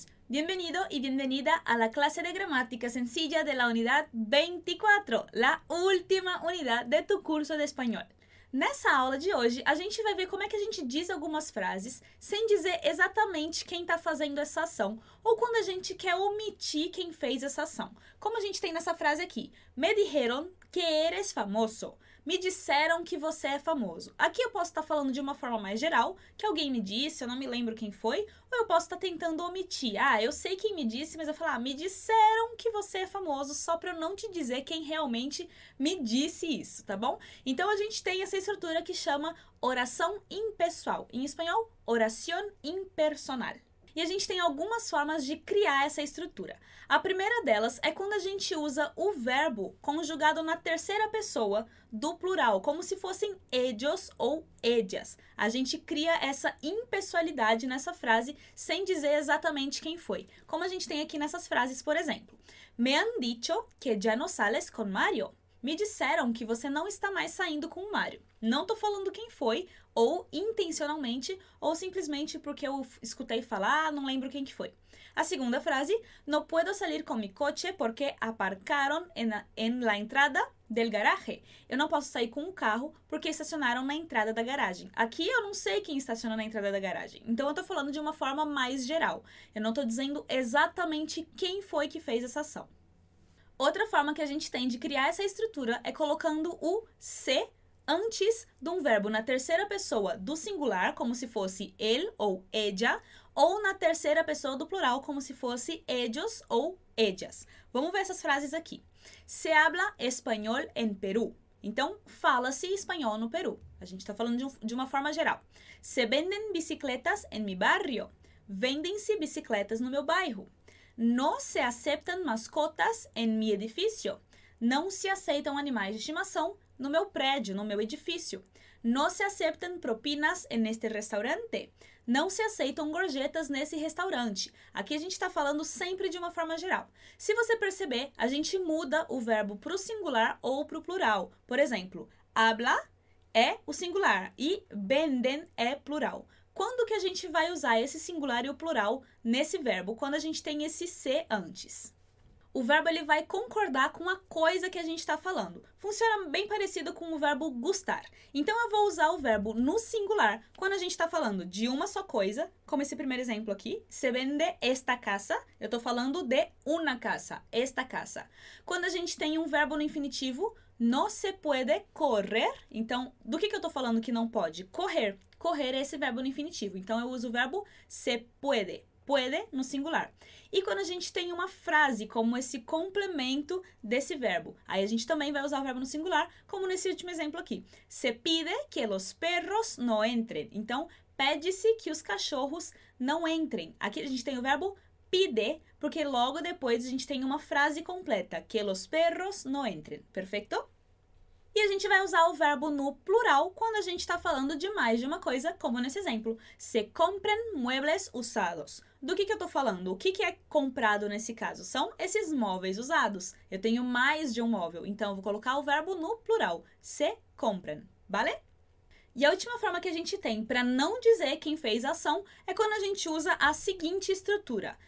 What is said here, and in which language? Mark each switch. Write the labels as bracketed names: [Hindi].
[Spanish] Bienvenido y bienvenida a la clase de gramática sencilla de la unidad 24, la última unidad de tu curso de español. [Portuguese] Nessa aula de hoje, a gente vai ver como é que a gente diz algumas frases sem dizer exatamente quem está fazendo essa ação ou quando a gente quer omitir quem fez essa ação. Como a gente tem nessa frase aqui, [Spanish] me dijeron que eres famoso. [Portuguese] Me disseram que você é famoso. Aqui eu posso estar falando de uma forma mais geral, que alguém me disse, eu não me lembro quem foi, ou eu posso estar tentando omitir. Ah, eu sei quem me disse, mas eu falo, me disseram que você é famoso, só para eu não te dizer quem realmente me disse isso, tá bom? Então, a gente tem essa estrutura que chama oração impessoal. Em espanhol, oración impersonal. E a gente tem algumas formas de criar essa estrutura. A primeira delas é quando a gente usa o verbo conjugado na terceira pessoa do plural, como se fossem ellos ou ellas. A gente cria essa impessoalidade nessa frase sem dizer exatamente quem foi. Como a gente tem aqui nessas frases, por exemplo. [Spanish] Me han dicho que ya no sales con Mario. [Portuguese] Me disseram que você não está mais saindo com o Mario. Não estou falando quem foi, ou intencionalmente, ou simplesmente porque eu escutei falar, não lembro quem que foi. A segunda frase, [Spanish] no puedo salir con mi coche porque aparcaron en la entrada del garaje. [Portuguese] Eu não posso sair com o carro porque estacionaram na entrada da garagem. Aqui eu não sei quem estacionou na entrada da garagem. Então eu estou falando de uma forma mais geral. Eu não estou dizendo exatamente quem foi que fez essa ação. Outra forma que a gente tem de criar essa estrutura é colocando o se antes de um verbo na terceira pessoa do singular, como se fosse él ou ella, ou na terceira pessoa do plural, como se fosse ellos ou ellas. Vamos ver essas frases aqui. [Spanish] Se habla español en Perú. [Portuguese] Então, fala-se espanhol no Peru. A gente está falando de uma forma geral. [Spanish] Se venden bicicletas en mi barrio. [Portuguese] Vendem-se bicicletas no meu bairro. [Spanish] No se aceptan mascotas en mi edificio. [Portuguese] Não se aceitam animais de estimação no meu prédio, no meu edifício. [Spanish] No se aceptan propinas en este restaurante. [Portuguese] Não se aceitam gorjetas nesse restaurante. Aqui a gente está falando sempre de uma forma geral. Se você perceber, a gente muda o verbo para o singular ou para o plural. Por exemplo, habla é o singular e venden é plural. Quando que a gente vai usar esse singular e o plural nesse verbo? Quando a gente tem esse se antes. O verbo ele vai concordar com a coisa que a gente está falando. Funciona bem parecido com o verbo gustar. Então, eu vou usar o verbo no singular quando a gente está falando de uma só coisa, como esse primeiro exemplo aqui. [Spanish] Se vende esta casa. [Portuguese] Eu estou falando de una casa, esta casa. Quando a gente tem um verbo no infinitivo, [Spanish] no se puede correr. [Portuguese] Então, do que eu estou falando que não pode? Correr. Correr é esse verbo no infinitivo. Então, eu uso o verbo se puede. Puede no singular. E quando a gente tem uma frase como esse complemento desse verbo, aí a gente também vai usar o verbo no singular, como nesse último exemplo aqui. [Spanish] Se pide que los perros no entren. [Portuguese] Então, pede-se que os cachorros não entrem. Aqui a gente tem o verbo pide, porque logo depois a gente tem uma frase completa. [Spanish] Que los perros no entren. [Portuguese] Perfeito? E a gente vai usar o verbo no plural quando a gente está falando de mais de uma coisa, como nesse exemplo. [Spanish] Se compren muebles usados. [Portuguese] Do que eu estou falando? O que é comprado nesse caso? São esses móveis usados. Eu tenho mais de um móvel, então eu vou colocar o verbo no plural. [Spanish] Se compren, vale? [Portuguese] E a última forma que a gente tem para não dizer quem fez a ação é quando a gente usa a seguinte estrutura.